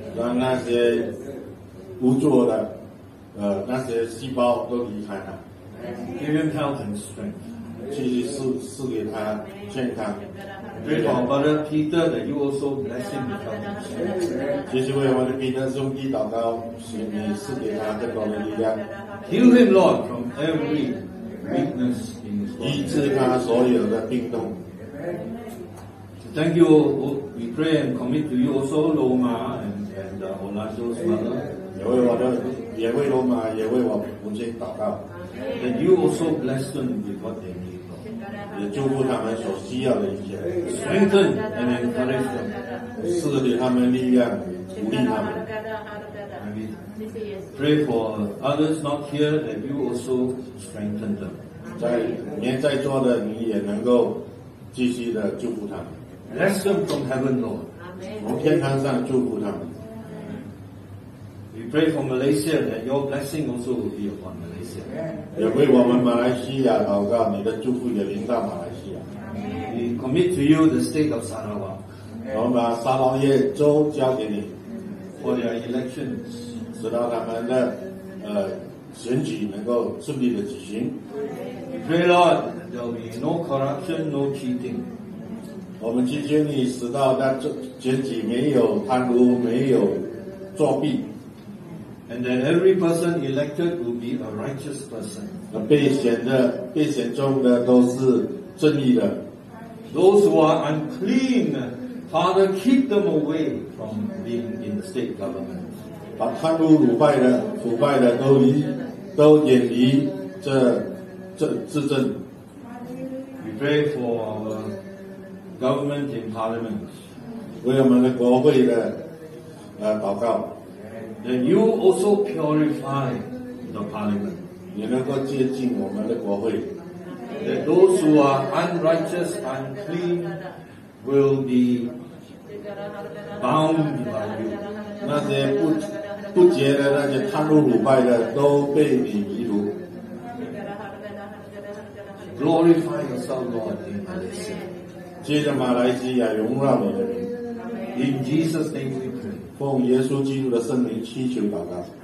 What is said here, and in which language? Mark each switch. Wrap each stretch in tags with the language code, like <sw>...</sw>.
<zh>让那些污浊的那些细胞都离开他。</zh> <en>Give him health and strength.</en> <zh>继续赐给他健康。</zh> <en>Pray for our brother Peter that you also bless him with health and strength.</en> <zh>继续为我的彼得兄弟祷告，请你赐给他更多的力量。</zh> <en>Heal him, Lord, from every weakness in his body.</en> <zh>医治他所有的病痛。</zh> <en>Thank you. We pray and commit to you also, Loma and Onasio's mother.</en> <zh>也为罗马，也为我母亲祷告。</zh> <en>That you also bless them with what they need.</en> <zh>也祝福他们所需要的一切</zh> <en>strengthen and encourage them</en> <zh>赐给他们力量鼓励他们</zh> <en>pray for others not here that you also strengthen them</en> <zh>在年在座的你也能够继续的祝福他们</zh> <en>bless them from heaven Lord</en> <zh>从天堂上祝福他们。</zh> <en>We pray for Malaysia that your blessing also will be upon Malaysia.</en> <zh>也为我们马来西亚祷告，你的祝福也临到马来西亚。</zh> <en>We commit to you the state of Sarawak.</en> <zh>我们把沙捞越州交给你。</zh> <en>For their elections.</en> <zh>直到他们的选举能够顺利的举行。</zh> <en>We pray, Lord, there will be no corruption, no cheating.</en> <zh>我们祈求你使到那选举没有贪污，没有作弊。</zh> <en>And that every person elected will be a righteous person.</en> <zh>被选中的都是正义的。</zh> <en>Those who are unclean, Father, keep them away from being in the state government.</en> <zh>把贪污腐败的都远离这执政。</zh> <en>We pray for ourGovernment in Parliament.</en> <zh>为我们的国会的祷告。</zh> <en>That you also purify the Parliament.</en> <zh>也能够接近我们的国会。</zh> <en>That those who are unrighteous, unclean, will be bound by you.</en> <zh>那些不洁的那些贪污腐败的都被你迷住。</zh> <en>Glorify yourself, Lord, in Malaysia.</en> <zh>借着马来西亚荣耀你的名。</zh> <en>In Jesus' name we pray.</en> <zh>奉耶稣基督的圣名祈求祷告。</zh>